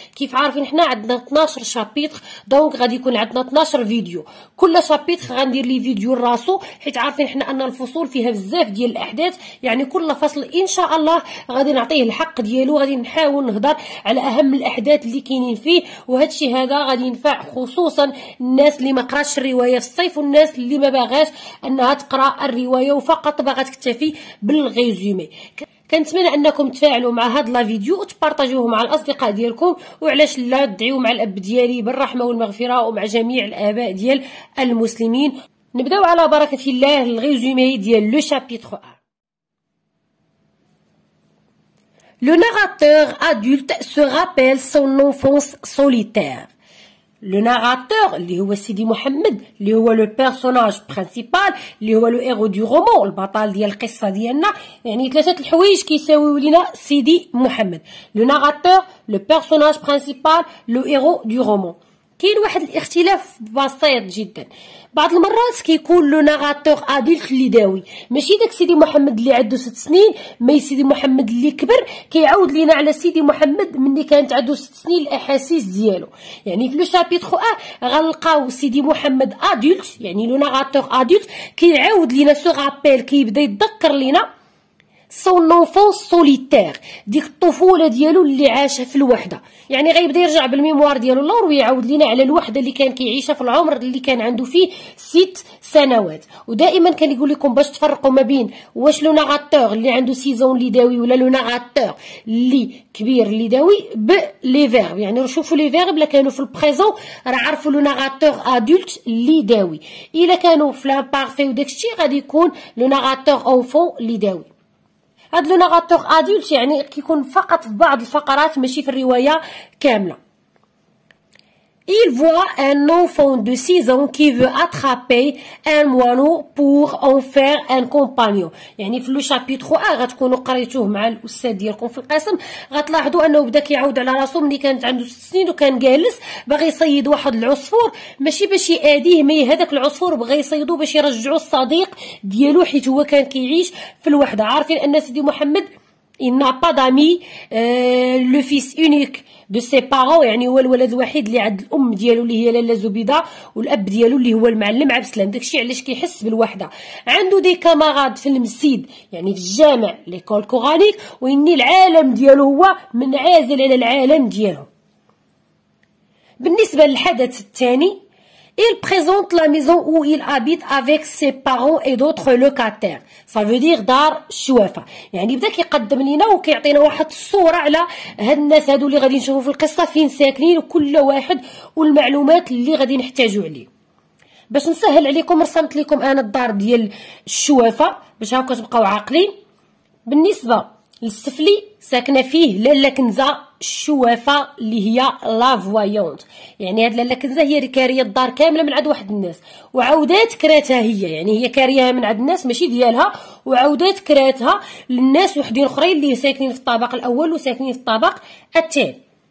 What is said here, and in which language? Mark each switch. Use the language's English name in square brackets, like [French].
[Arabic] كيف عارفين حنا عندنا 12 شابيتر، دونك غادي يكون عندنا 12 فيديو، كل شابيتر غندير ليه فيديو راسو، حيت عارفين حنا ان الفصول فيها بزاف ديال الاحداث، يعني كل فصل ان شاء الله غادي نعطيه الحق ديالو، غادي نحاول نهضر على اهم الاحداث اللي كاينين فيه، وهذا الشيء هذا غادي ينفع خصوصا الناس اللي ما قراتش الروايه في الصيف والناس اللي ما باغاش انها تقرا الروايه وفقط باغا تكتفي بالغيزومي. كنتمنى انكم تفاعلوا مع هذا لا فيديو وتبارطاجوه مع الاصدقاء ديالكم، وعلاش لا تدعيوا مع الاب ديالي بالرحمه والمغفره ومع جميع الاباء ديال المسلمين. نبداو على بركه الله الغيزومي ديال لو شابيتر 1. [French] Le narrateur adulte se rappelle son enfance solitaire. [Arabic] Le narrateur, li huwa Sidi Mohammed, li huwa le personnage principal, li huwa le héros du roman, le batal ديال القصة ديالنا، يعني ثلاثة الحوايج كيساويو لينا Sidi Mohammed. [French] Le narrateur, le personnage principal, le héros du roman. [Arabic] كاين واحد الاختلاف بسيط جدا، بعض المرات كيكون لو ناراتور ادلت اللي داوي، ماشي داك سيدي محمد اللي عنده 6 سنين، مي سيدي محمد اللي كبر كيعاود لينا على سيدي محمد ملي كانت عنده 6 سنين الاحاسيس ديالو. يعني في لو شابيتر 1 غنلقاو سيدي محمد ادلت، يعني لو ناراتور ادلت كيعاود لينا سو رابيل، كيبدا يتذكر لينا [French] son enfant solitaire، [Arabic] ديك الطفوله ديالو اللي عاشها في الوحده، يعني غيبدا يرجع بالميموار ديالو اللور ويعاود لينا على الوحده اللي كان كيعيشها في العمر اللي كان عنده فيه 6 سنوات. ودائما كنقول لكم باش تفرقوا ما بين واش لو ناراتور اللي عنده 6 سنين اللي داوي ولا لو ناراتور اللي كبير اللي داوي بلي فيرب، يعني شوفوا لي فيرب، الا كانوا في البريزون راه عرفوا لو ناراتور ادولت اللي داوي، الا كانوا في لامبارفي وداكشي غادي يكون لو ناراتور اونفون اللي داوي. هاد لو ناراتور ادولت يعني كيكون فقط في بعض الفقرات ماشي في الروايه كامله. [French] Il voit un enfant de 6 ans qui veut attraper un moineau pour en faire un compagnon. [Arabic] يعني في لو شابيتر 1 غتكونوا قريتوه مع الاستاذ ديالكم في القسم، غتلاحظوا انه بدا كيعاود على راسو ملي كانت عنده 6 سنين وكان جالس باغي يصيد واحد العصفور، ماشي باش ياديه، مي هذاك العصفور بغى يصيدو باش يرجعو الصديق ديالو حيت هو كان كيعيش في الوحده. عارفين ان سيدي محمد [French] il n'a pas d'amis le fils unique de ses parents، [Arabic] يعني هو الولد الوحيد اللي عند الام ديالو اللي هي لاله زبيده والاب ديالو اللي هو المعلم عبد السلام، داكشي علاش كيحس بالوحده. عنده دي كاماراد في المسيد يعني في الجامع ليكول كورانيك، واني العالم ديالو هو منعزل على العالم ديالو. بالنسبه للحدث الثاني، [French] il présente la maison où il habite avec ses parents et d'autres locataires. Ça veut dire دار شوافه. [Arabic] يعني بدا كيقدم لينا وكيعطينا واحد الصوره على هاد الناس هادو اللي غادي نشوفو في القصه فين ساكنين وكل واحد والمعلومات اللي غادي نحتاجو عليه. باش نسهل عليكم رسمت لكم انا الدار ديال الشوافه باش هاكا تبقاو عاقلين. بالنسبه للسفلي ساكنه فيه لاله كنزه الشوافه اللي هي لا فوايونت، يعني هاد لاله كنزه هي اللي كاريه الدار كامله من عند واحد الناس، وعاودات كراتها هي، يعني هي كاريها من عند الناس ماشي ديالها، وعاودات كراتها للناس وحدين اخرين اللي ساكنين في الطابق الاول وساكنين في الطابق الثاني.